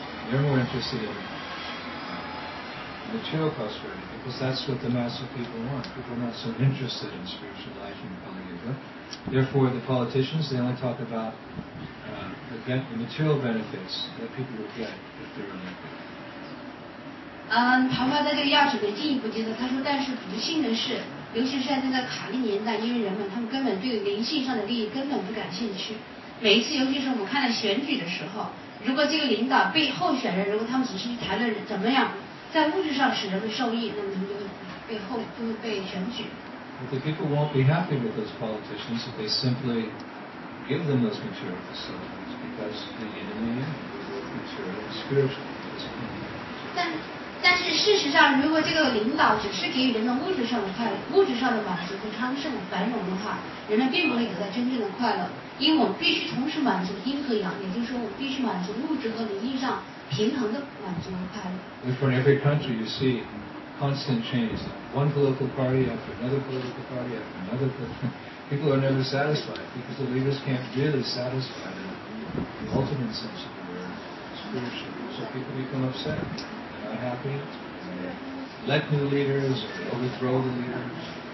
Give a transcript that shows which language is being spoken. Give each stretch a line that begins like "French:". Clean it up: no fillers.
English: They're more interested in material prosperity because that's what the mass of people want. People are not so interested in spiritual life in Kali Yuga. Therefore, the politicians, they only talk about the material benefits that people would get if they're in Kali Yuga.
Chinese: 庞巴在这个要旨里进一步接着，他说：“但是不幸的是，尤其是在那个卡利年代，因为人们他们根本对灵性上的利益根本不感兴趣。每一次，尤其是我们看到选举的时候，如果这个领导被候选人，如果他们只是谈论怎么样在物质上使人们受益，那么他们就会被选举。”
English: But the people won't be happy with those politicians if they simply give them those material facilities because the enemy is material and spiritual.
Chinese: 但是事实上，如果这个领导只是给予人们物质上的快乐、物质上的满足和昌盛繁荣的话，人们并不会得到真正的快乐，因为我们必须同时满足阴和阳，也就是说，我们必须满足物质和灵性上平衡的满足和快乐。
English: Therefore, in every country, you see constant change. One political party after another political party after another. People are never satisfied because the leaders can't really satisfy them, the ultimate sense of the word, spiritual. So people become upset. Not happy, let new leaders overthrow the leaders.